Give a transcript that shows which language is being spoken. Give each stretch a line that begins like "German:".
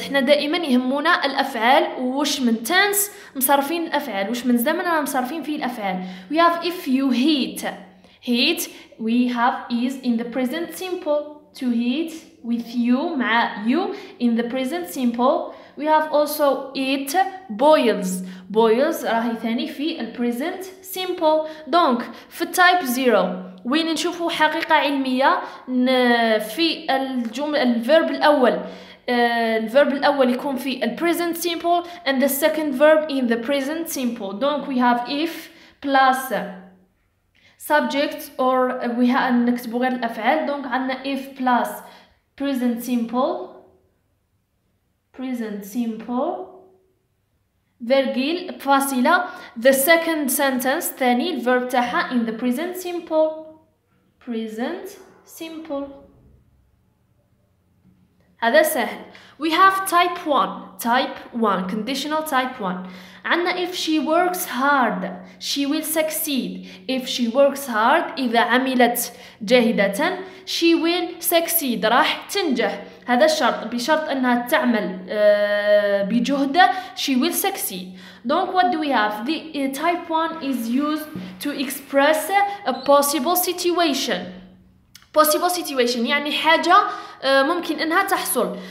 Arabic: احنا دائما يهمونا الافعال، واش من تنس مصرفين الافعال، واش من زمن انا مصرفين فيه الافعال.
English: We have if you heat. Heat we have is in the present simple. To heat with you مع you in the present simple. We have also it boils.
Arabic: Boils راهي ثاني في ال present simple. Donc في type 0 وين نشوفوا حقيقة علمية؟ في الجمل ال verb الأول. الverb الأول يكون في ال
English: present simple and the second verb in the present simple. Donc we have if plus subject or we have
Arabic: نكتبوا غير الأفعال.
English: Donc
Arabic: عندنا
English: if plus present simple. Present simple. Vergil, فاصله. The second sentence,
Arabic: ثاني الverb تاعها
English: in the present simple. Present simple.
Arabic: هذا سهل.
English: We have type 1. Type 1. Conditional type 1.
Arabic: عندنا
English: if she works hard, she will succeed. If she works hard,
Arabic: إذا عملت جاهدة,
English: she will succeed.
Arabic: راح تنجح. هذا الشرط، بشرط أنها تعمل بجهد she will succeed.
English: Donc what do we have? The type 1 is used to express a possible situation. Possible situation
Arabic: يعني حاجة ممكن أنها تحصل.